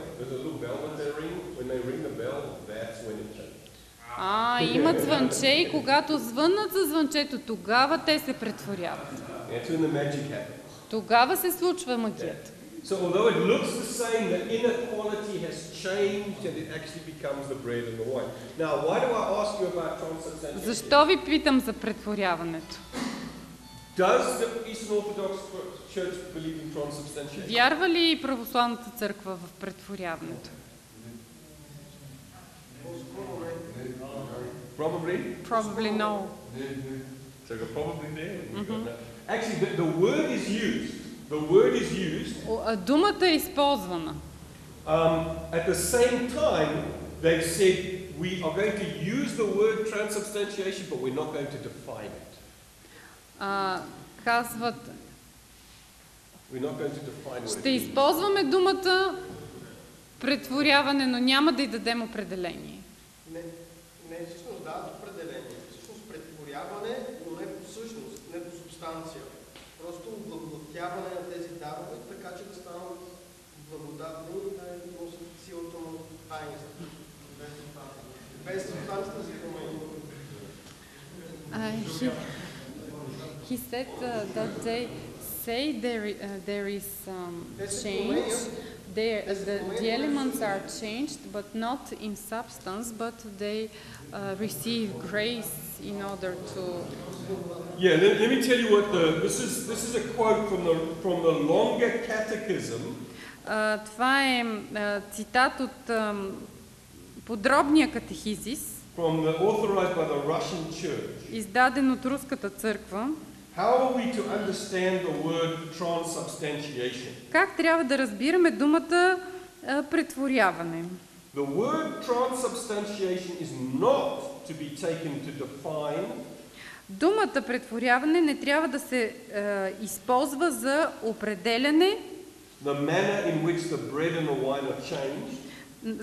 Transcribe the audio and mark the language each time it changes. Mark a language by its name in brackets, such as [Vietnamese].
[English] There's a little bell when they ring the bell, that's when it changes. [Bulgarian] Има звънче и когато звънат за звънчето, тогава те се претворяват. [English] That's when the magic happens. [Bulgarian] Тогава се случва магията. [English] So although it looks the same, the inner quality has changed and it actually becomes the bread and the wine. Now, why do I ask you about transubstantiation? [Bulgarian] Защо ви питам за претворяването? [English] Does the Eastern Orthodox Church believe in transubstantiation? [Bulgarian] Вярва ли православната църква в претворяването? [English] Probably no. So probably no. Mm-hmm. Actually, the word is used. The word is used. [Bulgarian] Думата е използвана. [English] At the same time, they said we are going to use the word transubstantiation, but we're not going to define it. [Bulgarian] Казват. [English] We're not going to define it. [Bulgarian] Ще използваме думата претворяване, но няма да й дадем определение. Не, всъщност да, определение. Всъщност претворяване, но не по същност, не по субстанция. Просто облагодяване на тези дарове, така че да станат благодатни и да носят силата на тайнство. Без субстанция за промените. [English] He said that they say there is change. The elements are changed, but not in substance, but they receive grace in order to. Yeah, let me tell you what the this is a quote from the Longer Catechism. [Bulgarian] Това е цитат от подробния катехизис. [English] From the authorized by the Russian Church. [Bulgarian] Издаден от руската църква. [English] How are we to understand the word transubstantiation? [Bulgarian] Как трябва да разбираме думата претворяване? [English] The word transubstantiation is not to be taken to define. [Bulgarian] Думата претворяване не трябва да се използва за определяне. [English] The manner in which the bread and the wine are changed.